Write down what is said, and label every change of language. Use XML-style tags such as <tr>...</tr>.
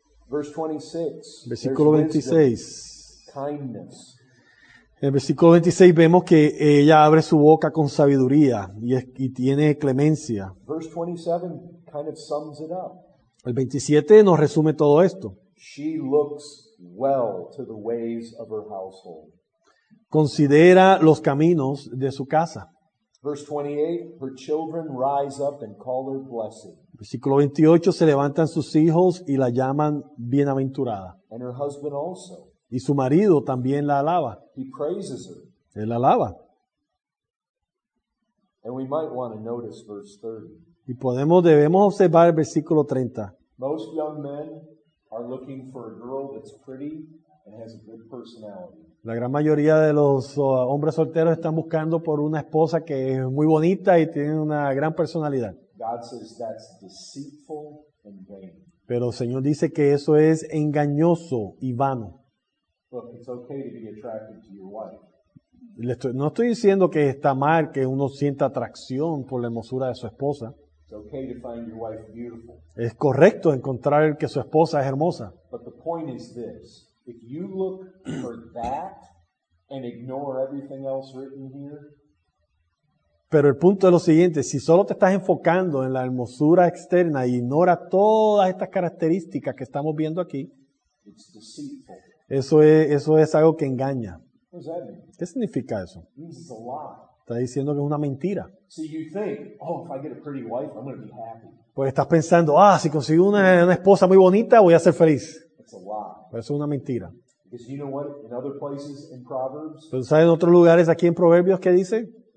<en>Verse 26.</en> <es>Versículo 26.</es> <en>Wisdom, kindness.</en> <es>En el versículo 26 vemos que ella abre su boca con sabiduría y tiene clemencia.</es> <en>Verse 27 kind of sums it up.</en> <es>El 27 nos resume todo esto.</es> <en>She looks well to the ways of her household.</en> <es>Considera los caminos de su casa.</es> <en>Verse 28, her children rise up and call her blessed.</en> <es>Versículo 28, se levantan sus hijos y la llaman bienaventurada.</es> <en>And her husband also.</en> <es>Y su marido también la alaba.</es> <en>He praises her.</en> <es>Él la alaba.</es> <en>And we might want to notice verse 30.</en> <es>Y debemos observar el versículo 30.</es> <en>Most young men are looking for a girl that's pretty and has a good personality.</en> <es>La gran mayoría de los hombres solteros están buscando por una esposa que es muy bonita y tiene una gran personalidad.</es> <en>God says that's deceitful and vain.</en> <es>Pero el Señor dice que eso es engañoso y vano.</es> <en>Look, it's okay to be attracted to your wife.</en> <es>No estoy diciendo que está mal que uno sienta atracción por la hermosura de su esposa.</es> <en>It's okay to find your wife beautiful.</en> <es>Es correcto encontrar que su esposa es hermosa.</es> <en>But the point is this. If you look for that and ignore everything else written here,</en> <es>pero el punto es lo siguiente, si solo te estás enfocando en la hermosura externa e ignora todas estas características que estamos viendo aquí,</es> <en>it's deceitful.</en> <es>Eso es algo que engaña.</es> <en>What does that mean?</en> <es>¿Qué significa eso?</es> <en>This is a lie.</en> <es>Está diciendo que es una mentira.</es> <en>So you think, oh, if I get a pretty wife, I'm gonna be happy.</en> <es>Pues estás pensando, ah, si consigo una esposa muy bonita, voy a ser feliz. Pero eso es una mentira. Pero ¿sabes en otros lugares aquí en Proverbios qué dice?</es>